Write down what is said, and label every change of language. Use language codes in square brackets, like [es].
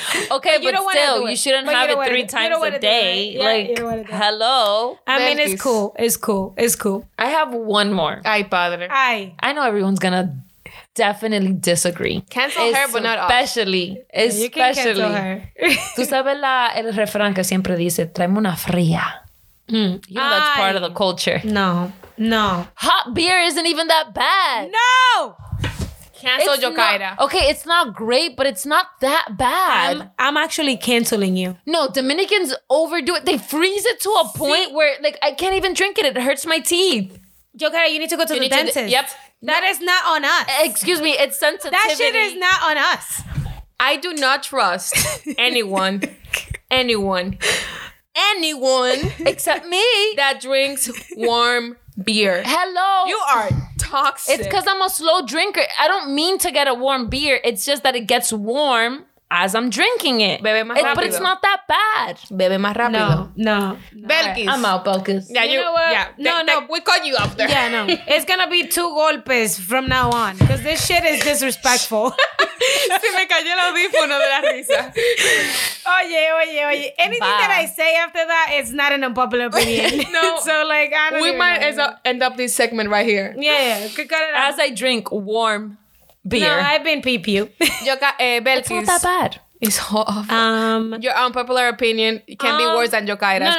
[en] Okay, but still, you shouldn't have it 3 times a day. Like, hello. I mean, it's cool. I have one more. [es] Ay, padre. Ay. [en] I know everyone's gonna definitely disagree. Cancel her, but not especially. Especially. [es] Tú sabes el refrán que siempre dice, tráeme una fría. [en] You know that's part of the culture. No. No. Hot beer isn't even that bad. No! Cancel Yokaira. Okay, it's not great, but it's not that bad. I'm actually canceling you. No, Dominicans overdo it. They freeze it to a point where, like, I can't even drink it. It hurts my teeth. Yokaira, you need to go to the dentist. Yep. That is not on us. Excuse me, it's sensitivity. That shit is not on us. I do not trust anyone. anyone. Except me. That drinks warm beer. Hello. You are toxic. It's because I'm a slow drinker. I don't mean to get a warm beer. It's just that it gets warm as I'm drinking it. [es] Bebe más rápido. [en] But it's not that bad. [es] Bebe más rápido. [en] No. Belkis. Right, I'm out, Belkis. Yeah, you know what? Yeah. No. We caught you after. Yeah, no. It's going to be 2 golpes from now on because this shit is disrespectful. [es] Se me cayó el audífono de la risa. Oye. [en] Anything that I say after that is not an unpopular opinion. No. So, like, I don't We might as well end up this segment right here. Yeah. Cut it out. As I drink warm beer. No, I've been pee-pew. Belkis. It's not that bad. It's awful. Your unpopular opinion can be worse than Yokaira's.